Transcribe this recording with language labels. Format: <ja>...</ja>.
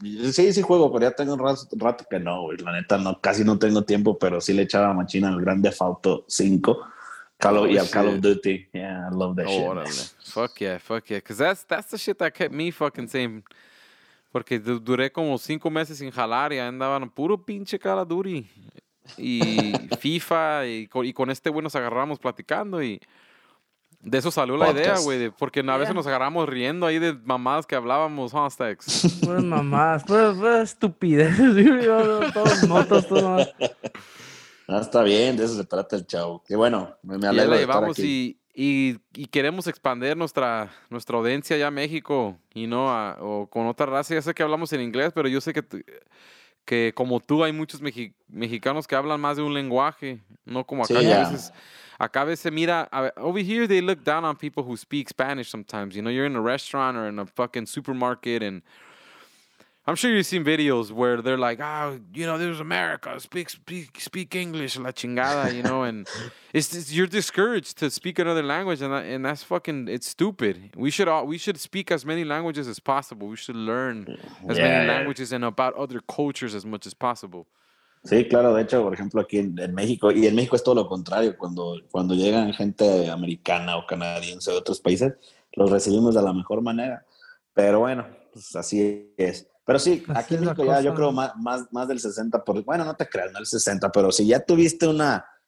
<es>Sí, juego, pero ya tengo un rato que no. La neta, no, casi no tengo tiempo, pero sí le echaba machina al Grand Theft Auto 5.</es> <en>Call of Duty. Yeah, I love that shit. Whatever. Fuck yeah. Because that's the shit that kept me fucking saying...</en> <es>Porque duré como 5 meses sin jalar y andaban puro pinche cara duri. Y FIFA y con este güey nos agarramos platicando y de eso salió la idea, güey. Porque a veces nos agarramos riendo ahí de mamadas que hablábamos, ¿huh, Stax? Pues mamadas, pues estupideces. Todos motos, todos nomás. Ah, está bien, de eso se trata el chavo. Qué bueno, me alegro de estar aquí. Y queremos expandir nuestra audiencia allá a México y no a, o con otra raza. Ya sé que hablamos en inglés, pero yo sé que como tú hay muchos mexicanos que hablan más de un lenguaje, no como acá. Sí,</es> <en>a veces over here they look down on people who speak Spanish sometimes, you know. You're in a restaurant or in a fucking supermarket and I'm sure you've seen videos where they're like, oh, you know, there's America, speak English,</en> <es>la chingada,</es> <en>you know, and it's you're discouraged to speak another language, and that's fucking, it's stupid. We should speak as many languages as possible. We should learn as many languages and about other cultures as much as possible.</en> <es>Sí, claro, de hecho, por ejemplo, aquí en México, y en México es todo lo contrario, cuando llegan gente americana o canadiense de otros países, los recibimos de la mejor manera, pero bueno, pues así es. Pero sí, aquí en México ya yo creo más del 60%, bueno, no te creas, no el 60%, pero si ya tuviste una</es>